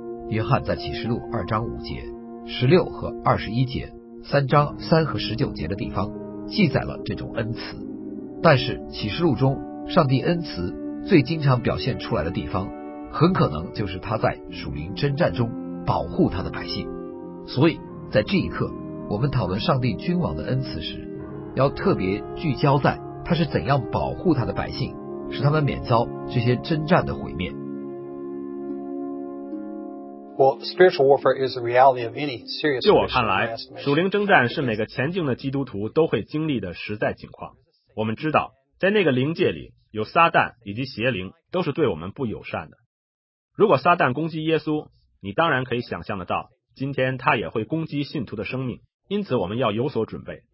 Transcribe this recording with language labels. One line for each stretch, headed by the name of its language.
Chinese: 约翰在启示录二章五节、十六和二十一节、三章三和十九节的地方记载了这种恩慈，但是启示录中上帝恩慈最经常表现出来的地方，很可能就是他在属灵征战中保护他的百姓。所以在这一刻我们讨论上帝君王的恩慈时，要特别聚焦在他是怎样保护他的百姓，使他们免遭这些征战的毁灭。
English: spiritual warfare is the reality of any serious.
Chinese: 就我看来，属灵征战是每个前进的基督徒都会经历的实在情况。我们知道在那个灵界里有撒旦以及邪灵，都是对我们不友善的。如果撒旦攻击耶稣，你当然可以想象得到今天他也会攻击信徒的生命，因此我们要有所准备。